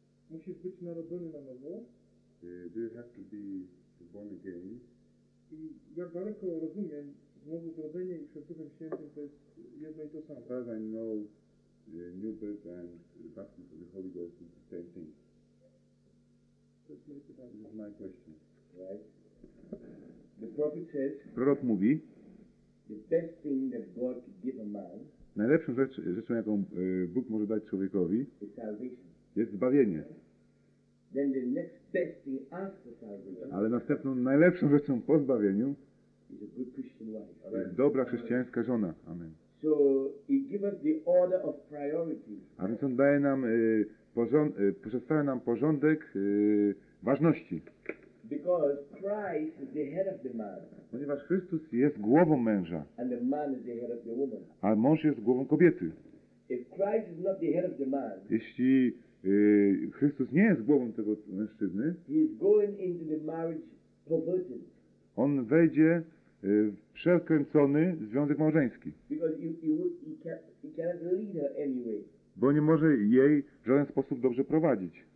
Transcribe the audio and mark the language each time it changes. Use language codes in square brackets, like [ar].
[pl] musisz być narodzony na nowo. [en] Do you have to be born again? [pl] I jak daleko rozumiem, znowu zrodzenie i przed Duchem Świętym to jest jedno i to samo. [en] As I know, new birth and the baptism of the Holy Ghost is the same thing. [pl] To jest moje pytanie. [en] This is my question. Right. The prophet says, [pl] prorok mówi, [en] the best thing that God could give a man, [pl] najlepszą rzeczą, jaką Bóg może dać człowiekowi, [en] is salvation. [pl] Jest zbawienie. [en] Then the next best thing after salvation, [pl] ale następną najlepszą rzeczą po zbawieniu jest dobra chrześcijańska żona. [en] Amen. So he gives us the order of priorities. [pl] A więc on daje nam przedstawia nam porządek ważności. [en] Because Christ is the head of the man. [pl] Ponieważ Chrystus jest głową męża. [en] And the man is the head of the woman. [pl] A mąż jest głową kobiety. [en] If Christ is not the head of the man, [pl] jeśli Chrystus nie jest głową tego mężczyzny, [en] he is going into the marriage perverted. [pl] On wejdzie w przekręcony związek małżeński. [en] Because he cannot lead her anyway. [pl] Bo nie może jej w żaden sposób dobrze prowadzić.